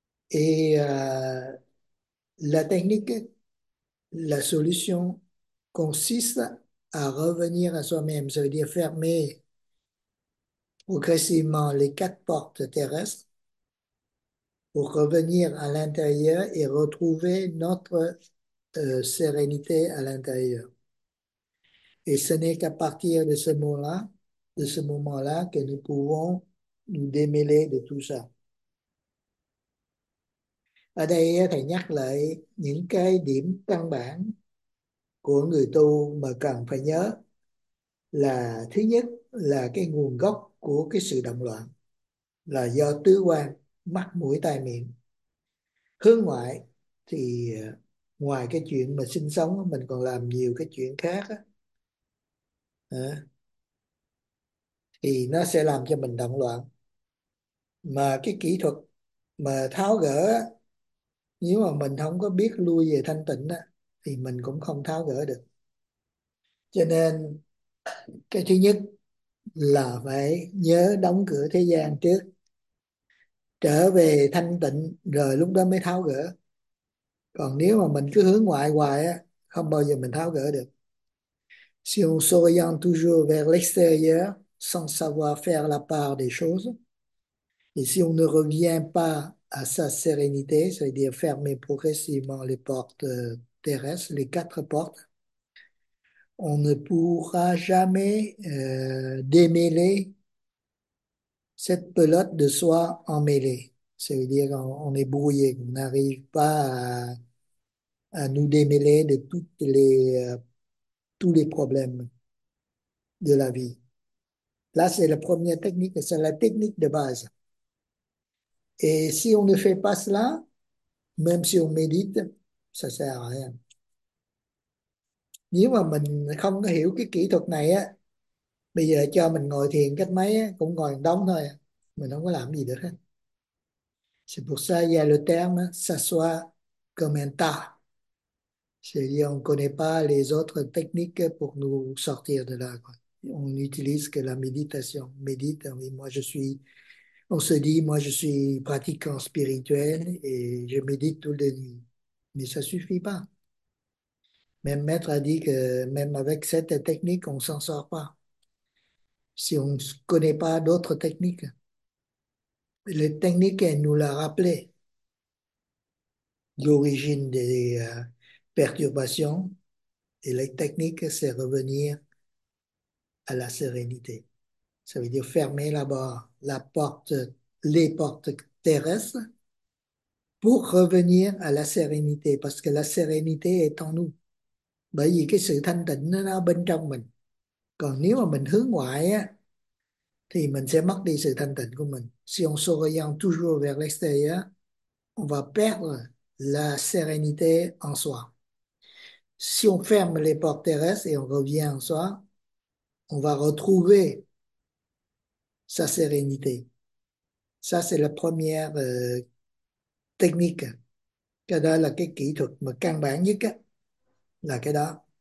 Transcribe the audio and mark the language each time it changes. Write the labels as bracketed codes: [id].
[fr] Et la technique, la solution consiste à revenir à soi-même, ça veut dire fermer progressivement les quatre portes terrestres pour revenir à l'intérieur et retrouver notre sérénité à l'intérieur. Et ce n'est qu'à partir de ce moment-là, que nous pouvons nous démêler de tout ça. [vi] Ở đây thầy nhắc lại những cái điểm căn bản của người tu mà cần phải nhớ là thứ nhất là cái nguồn gốc của cái sự động loạn là do tứ quan mắt mũi tai miệng. Hướng ngoại thì ngoài cái chuyện mà sinh sống mình còn làm nhiều cái chuyện khác á, thì nó sẽ làm cho mình động loạn. Mà cái kỹ thuật mà tháo gỡ, nếu mà mình không có biết lui về thanh tịnh á, thì mình cũng không tháo gỡ được. Cho nên cái thứ nhất là phải nhớ đóng cửa thế gian trước, trở về thanh tịnh rồi lúc đó mới tháo gỡ. Còn nếu mà mình cứ hướng ngoại hoài á, không bao giờ mình tháo gỡ được. [fr] Si on s'oriente toujours vers l'extérieur sans savoir faire la part des choses, et si on ne revient pas à sa sérénité, c'est-à-dire fermer progressivement les portes terrestres, les quatre portes, on ne pourra jamais démêler cette pelote de soie emmêlée. C'est-à-dire qu'on est brouillé, on n'arrive pas à nous démêler de toutes les tous les problèmes de la vie. Là, c'est la première technique, c'est la technique de base. Et si on ne fait pas cela, même si on médite, ça sert à rien. [vi] Nếu mà mình không có hiểu cái kỹ thuật này á, bây giờ cho mình ngồi thiền cách mấy á, cũng ngồi đóng thôi, mình không có làm gì được hết. [fr] C'est pour ça qu'il y a le terme s'asseoir comme un tas. C'est-à-dire qu'on ne connaît pas les autres techniques pour nous sortir de là. On n'utilise que la méditation. Médite, oui, moi je suis. On se dit, moi je suis pratiquant spirituel et je médite toutes les nuits. Mais ça ne suffit pas. Même maître a dit que même avec cette technique, on ne s'en sort pas. Si on ne connaît pas d'autres techniques. Les techniques, elle nous l'a rappelé. L'origine des perturbations. Et les techniques, c'est revenir à la sérénité. Ça veut dire fermer là-bas la porte, les portes terrestres pour revenir à la sérénité, parce que la sérénité est en nous. [vi] Bởi vì cái sự thanh tịnh nó bên trong mình. Còn nếu mà mình hướng ngoại á, thì mình sẽ mất đi sự thanh tịnh của mình. [fr] Si on s'oriente toujours vers l'extérieur, on va perdre la sérénité en soi. Si on ferme les portes terrestres et on revient en soi, on va retrouver sa sérénité. Ça, c'est la première technique. [vi] Cái đó là cái kỹ thuật mà căn bản nhất á, là cái đó.